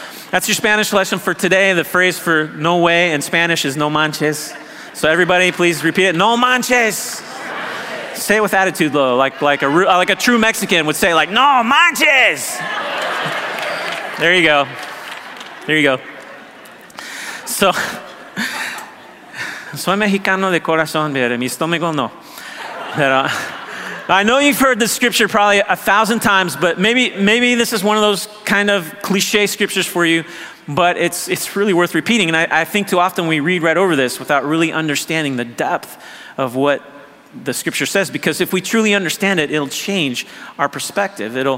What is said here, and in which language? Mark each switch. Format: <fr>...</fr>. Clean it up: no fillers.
<en>That's your Spanish lesson for today. The phrase for no way in Spanish is</en> <es>no manches.</es> <en>So everybody, please repeat it,</en> <es>no manches.</es> <en>Say it with attitude, though, like a true Mexican would say, like, no manches. There you go. There you go.</en> <es>So, soy mexicano de corazón, pero mi estómago no.</es> <en>Pero, I know you've heard this scripture probably 1,000 times, but maybe this is one of those kind of cliche scriptures for you, but it's really worth repeating. And I think too often we read right over this without really understanding the depth of what the scripture says, because if we truly understand it, it'll change our perspective.</en>